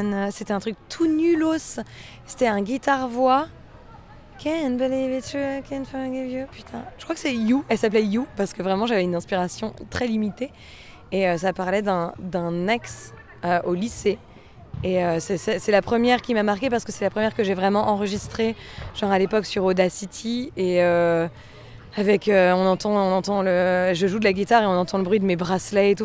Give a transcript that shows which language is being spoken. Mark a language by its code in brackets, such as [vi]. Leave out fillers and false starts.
[fr] C'était un truc tout nulos, c'était un guitare-voix. [en] Can't believe it's true, I can't forgive you, [fr] putain. Je crois que c'est You, elle s'appelait You, parce que vraiment j'avais une inspiration très limitée. Et ça parlait d'un ex au lycée. Et c'est la première qui m'a marquée parce que c'est la première que j'ai vraiment enregistrée, genre à l'époque sur Audacity. Et avec, on entend le, je joue de la guitare et on entend le bruit de mes bracelets et tout.